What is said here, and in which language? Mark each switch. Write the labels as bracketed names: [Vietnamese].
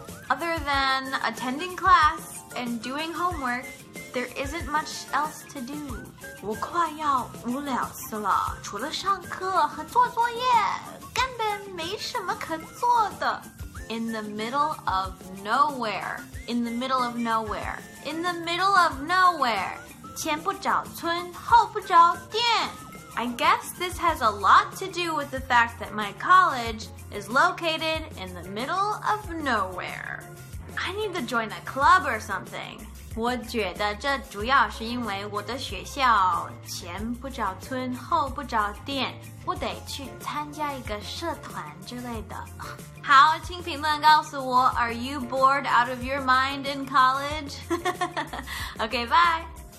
[English] Other than attending class and doing homework, there isn't much else to do. [Chinese] 我快要无聊死了，除了上课和做作业，根本没什么可做的。 [English] In the middle of nowhere. [Chinese] 前不着村，后不着店。 [English] I guess this has a lot to do with the fact that my college is located in the middle of nowhere. I need to join a club or something. [Chinese] 我觉得这主要是因为我的学校前不着村后不着店，我得去参加一个社团之类的。好，请评论告诉我 [English] ，Are you bored out of your mind in college? Okay, bye.